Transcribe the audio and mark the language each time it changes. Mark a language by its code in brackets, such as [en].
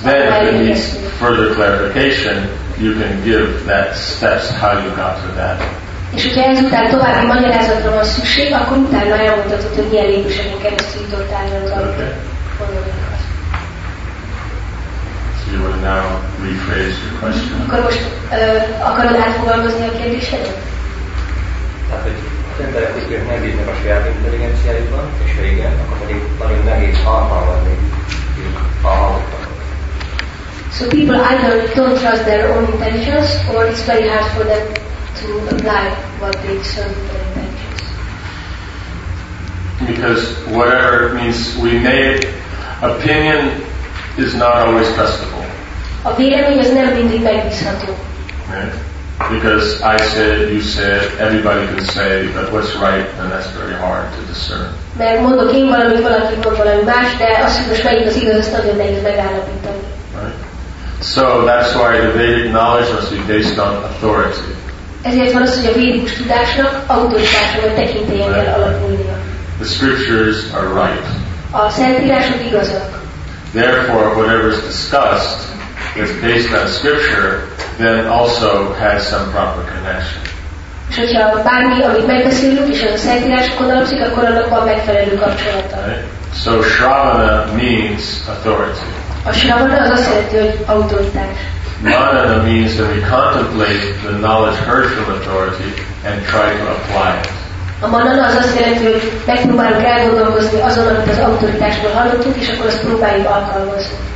[en] Then if it needs further clarification, you can give that steps how you got to that. [hu] És hogyha ezután további magyarázatra van szükség, akkor utána elmondhatod, hogy milyen lépéseken keresztül jutottál el ahhoz, amit mondani akarsz. [en] So you want to now rephrase your question? [hu] Akkor most akarod átfogalmazni a kérdésedet? Az emberek úgy megbíznak a saját intelligenciájukban, és ha igen, akkor pedig nagyon nehéz alkalmazni a hallottakat. [en] So people either don't trust their own intentions, or it's very hard for them to apply what they discern their intentions. Because whatever it means we made, opinion is not always trustable. [hu] A vélemény az nem mindig megbízható. [en] Because I said, you said, everybody can say, but what's right, and that's very hard to discern. [hu] Mert mondok én valamit, valaki mond valami más, de azt, hogy most melyik az igaz, azt nagyon nehéz megállapítani. [en] So that's why the Vedic knowledge must be based on authority. [hu] Ezért van az, hogy a védikus tudásnak autoritásra tekintélyen kell alapulnia. [en] The scriptures are right. [hu] A szentírások igazak. [en] Therefore, whatever is discussed is based on scripture, then also has some proper connection. [hu] És hogyha bármi, amit megbeszélünk, és az a szentírásokon alapszik, akkor annak van megfelelő kapcsolata. [en] So shravana means authority. [hu] A shravana az azt jelenti, hogy autoritás. [en] Manana means that we contemplate the knowledge heard from authority and try to apply it. [hu] A manana az azt jelenti, hogy megpróbálunk elgondolkozni azon, amit az autoritásból hallottuk, és akkor azt próbáljuk alkalmazni.